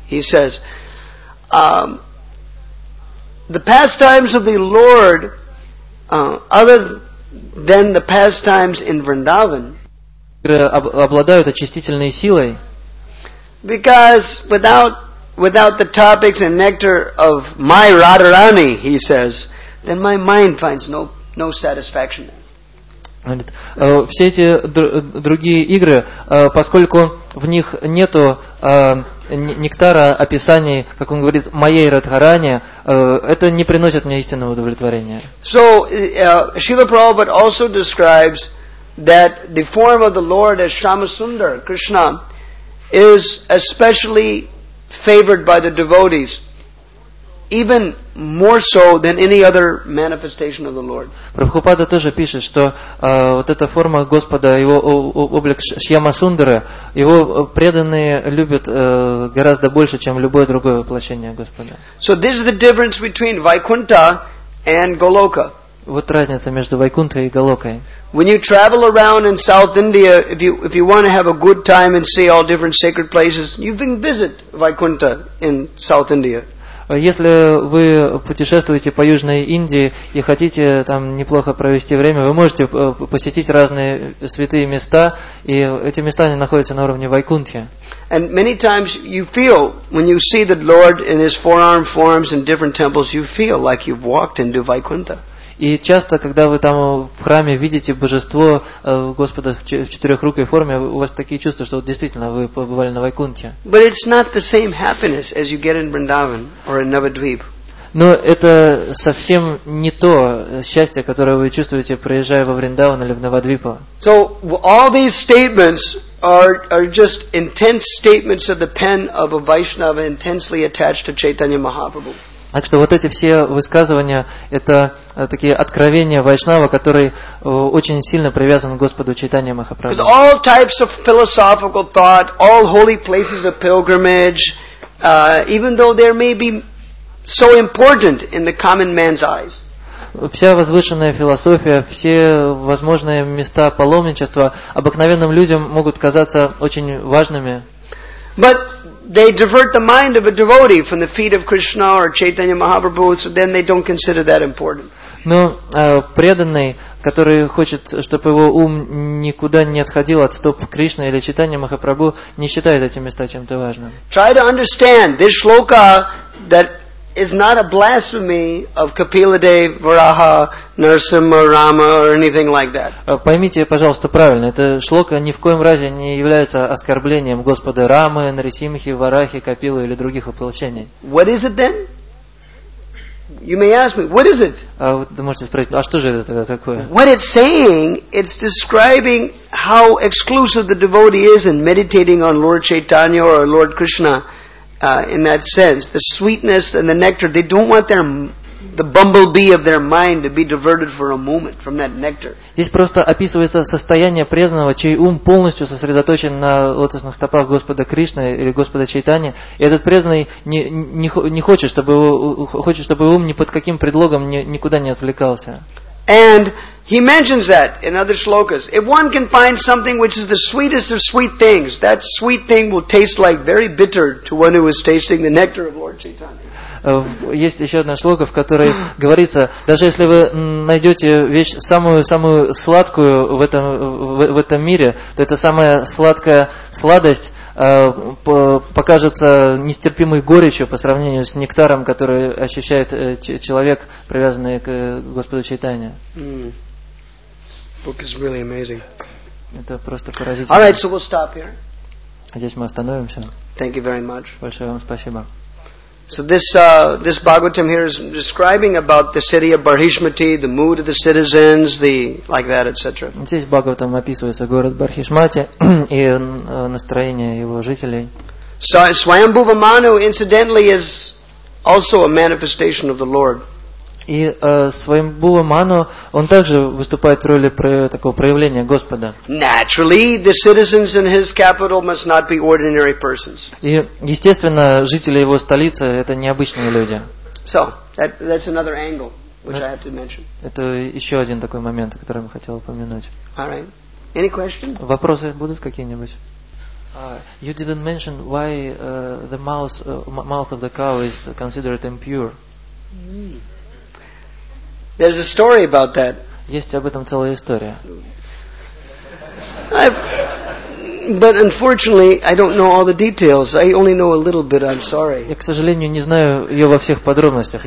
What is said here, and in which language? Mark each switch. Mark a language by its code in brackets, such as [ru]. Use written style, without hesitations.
[en] He says, the pastimes of the Lord, other than the pastimes in Vrindavan, [ru] обладают очистительной силой. [en] Because without the topics and nectar of my Radharani, he says, then my mind finds no satisfaction. [ru] Все эти другие игры, поскольку в них нету нектара описаний, как он говорит, моей Радхарани, это не приносит мне истинного удовлетворения. [en] So, Srila Prabhupada also describes that the form of the Lord as Shyamasundar, Krishna, is especially favored by the devotees, even more so than any other manifestation of the Lord. [ru] Прабхупада тоже пишет, что вот эта форма Господа, его облик Шьямасундара, его преданные любят гораздо больше, чем любое другое воплощение Господа. [en] So this is the difference between Vaikuntha and Goloka. [ru] Вот разница между Вайкунтхой и Голокой. [en] When you travel around in South India, if you want to have a good time and see all different sacred places, you can visit Vaikuntha in South India. [ru] Если вы путешествуете по Южной Индии и хотите там неплохо провести время, вы можете посетить разные святые места, и эти места они находятся на уровне Вайкунтхи. [en] And many times you feel, when you see the Lord in his forearm forms in different temples, you feel like you've walked into Vaikuntha. [ru] И часто, когда вы там в храме видите божество Господа в четырехрукой форме, у вас такие чувства, что вот действительно вы побывали на Вайкунтхе. [en] But it's not the same happiness as you get in Vrindavan or in Navadvip. [ru] Но это совсем не то счастье, которое вы чувствуете, проезжая во Вриндаван или в Навадвипа. [en] So all these statements are just intense statements of the pen of a Vaishnava intensely attached to Chaitanya Mahaprabhu. [ru] Так что вот эти все высказывания – это такие откровения Вайшнава, который очень сильно привязан к Господу Чайтанья Махапрабху. [en] Because all types of philosophical thought, all holy places of pilgrimage, even though they may be so important in the common man's eyes. [ru] Вся возвышенная философия, все возможные места паломничества обыкновенным людям могут казаться очень важными. [en] But they divert the mind of a devotee from the feet of Krishna or Chaitanya Mahaprabhu, so then they don't consider that important. [ru] Но преданный, который хочет, чтобы его ум никуда не отходил от стоп Кришны или Чайтанья Махапрабху, не считает эти места чем-то важным. [en] Try to understand this shloka that is not a blasphemy of Kapiladev, Varaha, Narasimha, Rama or anything like that. [ru] Поймите, пожалуйста, правильно. Эта шлока ни в коем разе не является оскорблением Господа Рамы, Нарисимхи, Варахи, Капилы или других воплощений. [en] What is it then? You may ask me, what is it? [ru] Вы можете спросить, а что же это тогда такое? [en] What it's saying, it's describing how exclusive the devotee is in meditating on Lord Chaitanya or Lord Krishna. In that sense, the sweetness and the nectar, they don't want the bumblebee of their mind to be diverted for a moment from that nectar. [ru] Здесь просто описывается состояние преданного, чей ум полностью сосредоточен на лотосных стопах Господа Кришны или Господа Чайтани. И этот преданный не хочет, чтобы его ум ни под каким предлогом никуда не отвлекался. [en] And He mentions that in other shlokas. If one can find something which is the sweetest of sweet things, that sweet thing will taste like very bitter to one who is tasting the nectar of Lord Chaitanya. [ru] Есть еще одна шлока, в которой говорится, даже если вы найдете вещь самую сладкую в этом мире, то эта самая сладкая сладость покажется нестерпимой горечью по сравнению с нектаром, который ощущает человек, привязанный к Господу Чайтанье. [en] Book is really amazing. [ru] Это просто поразительно. [en] All right, so we'll stop here. [ru] Здесь мы остановимся. [en] Thank you very much. [ru] Большое вам спасибо. [en] So this this Bhagavatam here is describing about the city of Barhishmati, the mood of the citizens, the like that, etc. [ru] Здесь Бхагаватам описывается город Бархишмати и настроение его жителей. [en] So Swayambhuva Manu incidentally is also a manifestation of the Lord. [ru] И Свайамбхува Ману, он также выступает в роли такого проявления Господа. [en] Naturally, the citizens in his capital must not be ordinary persons. [ru] И естественно, жители его столицы это необычные люди. [en] So, that's another angle which I have to mention. [ru] Это еще один такой момент, о котором я хотел упомянуть. [en] All right. Any questions? [ru] Вопросы будут какие-нибудь? [en] You didn't mention why the mouth of the cow is considered impure. There's a story about that. [ru] Есть об этом целая история. [en] But unfortunately, I don't know all the details. I only know a little bit. I'm sorry. [ru] Я, к сожалению, не знаю ее во всех подробностях.